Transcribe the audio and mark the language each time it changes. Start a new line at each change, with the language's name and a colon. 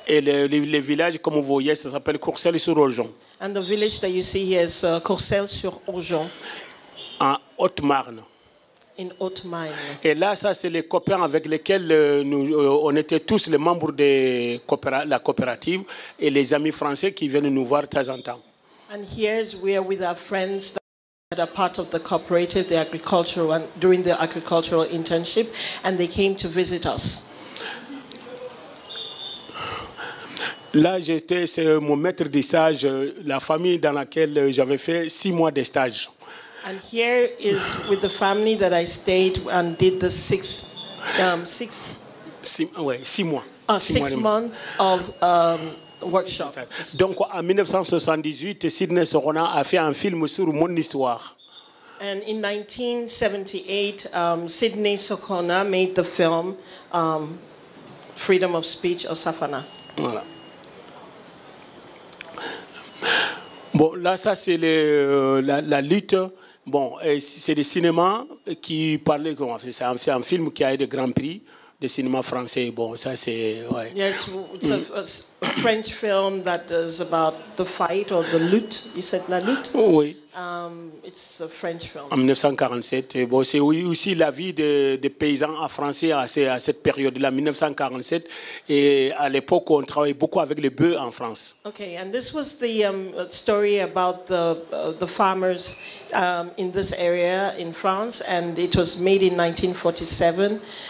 French: Et le village, comme vous voyez, ça s'appelle Courcelles-sur-Aujon.
English: And the village that you see here is Courcelles-sur-Aujon.
French: En Haute-Marne.
English: In Haute-Marne.
French: Et là, ça, c'est les copains avec lesquels on était tous les membres de la coopérative et les amis français qui viennent nous voir de temps en temps.
English: And here we are with our friends that are part of the cooperative, the agricultural, and during the agricultural internship, and they came to visit us.
French: Là, j'étais, c'est mon maître de stage, la famille dans laquelle j'avais fait 6 mois de stage.
English: And here is with the family that I stayed and did the six months of workshop.
French: Donc, en 1978, Sidney Sorona a fait un film sur mon histoire.
English: And in 1978, Sidney Sorona made the film Freedom of Speech or Safana.
French: Voilà. Bon, là, ça, c'est la lutte. Bon, c'est le cinéma qui parlait, c'est un film qui a eu de grands prix de cinéma français. Bon, ça c'est. Ouais.
English: Yes, it's a French film that is about the fight or the lutte. You said la lutte?
French: Oui.
English: It's a French film.
French: En 1947. Bon, c'est aussi la vie des paysans en français à cette période-là, 1947. Et à l'époque, on travaillait beaucoup avec les bœufs en France.
English: Okay, and this was the story about the farmers in this area in France, and it was made in 1947.